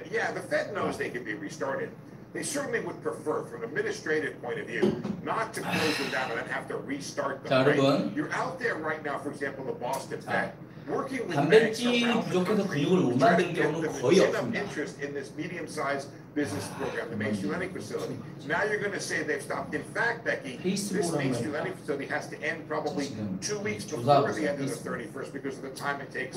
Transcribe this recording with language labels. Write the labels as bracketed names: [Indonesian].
[English] Yeah, the Fed knows they can be restarted. They certainly would prefer, from an administrative point of view, not to close them down and have to restart them. Right? You're out there right now, for example, the Boston Fed. [Korean] 단백질이 부족해서 근육을 못 만든 경우는 거의 없습니다. [English] In this medium-sized business program, the main Lenny facility. Now you're going to say they've stopped. In fact, Becky, this main Lenny facility has to end probably 2 weeks before the end of the 31st because of the time it takes.